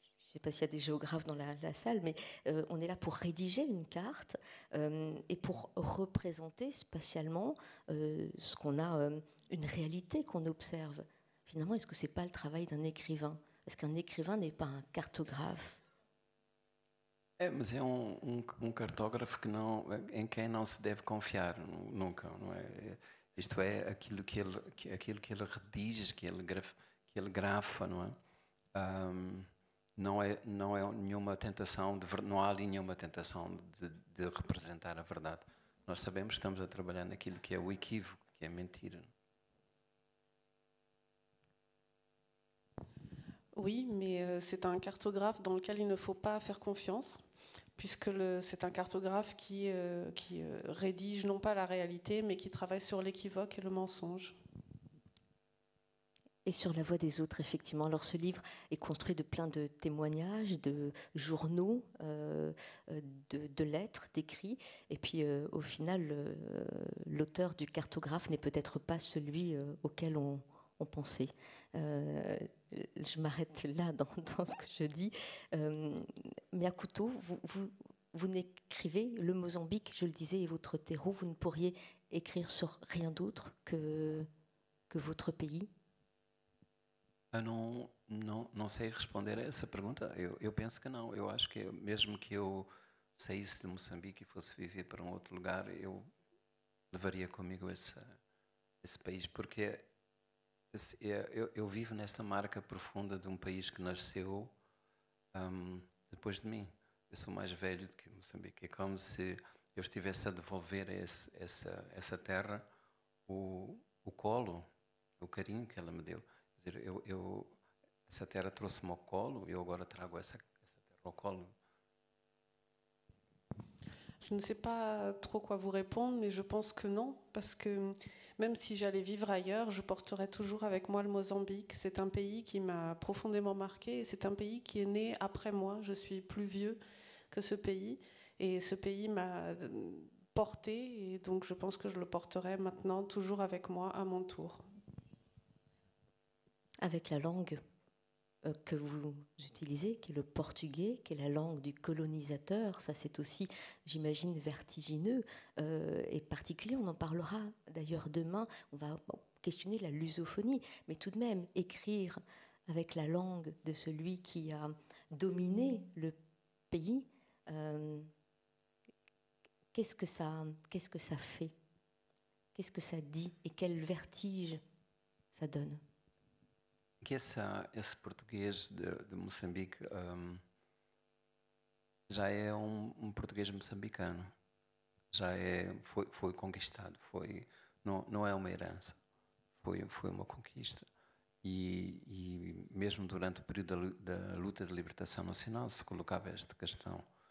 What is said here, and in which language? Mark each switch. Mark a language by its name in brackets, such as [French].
[French] Je ne sais pas s'il y a des géographes dans la salle, mais on est là pour rédiger une carte et pour représenter spatialement ce qu'on a, une réalité qu'on observe. Finalement, est-ce que ce n'est pas le travail d'un écrivain? Est-ce qu'un écrivain n'est pas un cartographe? [Portuguese] É, mas é um cartógrafo que não, em quem não se deve confiar nunca, não é? Isto é aquilo que ele redige, que ele grafa, não é? Não é nenhuma tentação de, não há ali nenhuma tentação de representar a verdade. Nós sabemos que estamos a trabalhar naquilo que é o equívoco, que é a mentira. [French] Oui, mais c'est un cartographe dans lequel il ne faut pas faire confiance, puisque c'est un cartographe qui rédige non pas la réalité, mais qui travaille sur l'équivoque et le mensonge. Et sur la voix des autres, effectivement. Alors ce livre est construit de plein de témoignages, de journaux, de lettres, d'écrits. Et puis au final, l'auteur du cartographe n'est peut-être pas celui auquel on pensait. Je m'arrête là dans ce que je dis. Miyakuto, vous n'écrivez le Mozambique, je le disais, et votre terreau, vous ne pourriez écrire sur rien d'autre que votre pays? [Portuguese] Não sei responder a essa pergunta. Eu penso que não. Eu acho que mesmo que eu saísse de Moçambique e fosse viver para outro lugar, eu levaria comigo esse país, porque eu vivo nesta marca profunda de um país que nasceu depois de mim. Eu sou mais velho do que Moçambique. É como se eu estivesse a devolver essa terra o colo, o carinho que ela me deu. Quer dizer, eu essa terra trouxe-me ao colo e eu agora trago essa terra ao colo. [French] Je ne sais pas trop quoi vous répondre, mais je pense que non, parce que même si j'allais vivre ailleurs, je porterai toujours avec moi le Mozambique. C'est un pays qui m'a profondément marqué et c'est un pays qui est né après moi. Je suis plus vieux que ce pays et ce pays m'a porté et donc je pense que je le porterai maintenant toujours avec moi à mon tour. Avec la langue que vous utilisez, qui est le portugais, qui est la langue du colonisateur, ça c'est aussi, j'imagine, vertigineux et particulier. On en parlera d'ailleurs demain, on va questionner la lusophonie, mais tout de même, écrire avec la langue de celui qui a dominé le pays, qu'est-ce que ça fait? Qu'est-ce que ça dit et quel vertige ça donne? [Portuguese] Que esse português de Moçambique já é um português moçambicano, já é, foi conquistado, foi, não é uma herança, foi uma conquista. E mesmo durante o período da luta de libertação nacional se colocava esta questão.